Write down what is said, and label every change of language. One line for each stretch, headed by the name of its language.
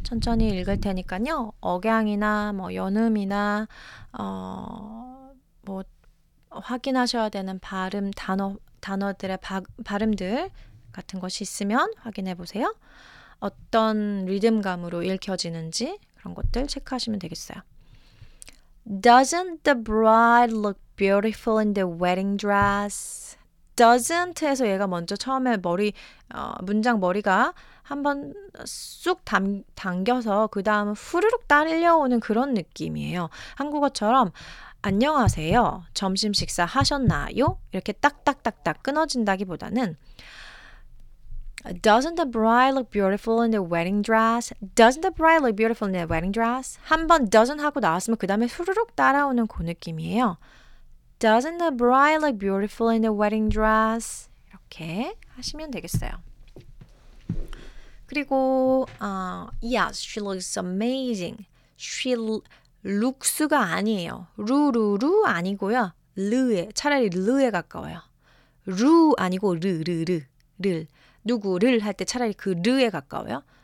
Korean: 천천히 읽을 테니까요. 억양이나 뭐 연음이나 뭐 확인하셔야 되는 발음 단어들의 발음들 같은 것이 있으면 확인해 보세요. 어떤 리듬감으로 읽혀지는지 그런 것들 체크하시면 되겠어요.
English: Doesn't the bride look beautiful in the wedding dress?
Korean: Doesn't에서 얘가 먼저 처음에 머리 문장 머리가 한번 쑥 당겨서 그 다음 후루룩 딸려오는 그런 느낌이에요. 한국어처럼 안녕하세요. 점심 식사 하셨나요? 이렇게 딱딱딱딱 끊어진다기보다는
English: Doesn't the bride look beautiful in the wedding dress? Doesn't the bride look beautiful in the wedding dress?
Korean: 한번 doesn't 하고 나왔으면 그 다음에 후루룩 따라오는 그 느낌이에요.
English: Doesn't the bride look beautiful in the wedding dress?
Korean: 이렇게 하시면 되겠어요. 그리고
English: yes, she looks amazing.
Korean: She looks가 아니에요. 루루루 아니고요. 르에 차라리 르에 가까워요. 루 아니고 르르르 를 누구를 할 때 차라리 그 르에 가까워요.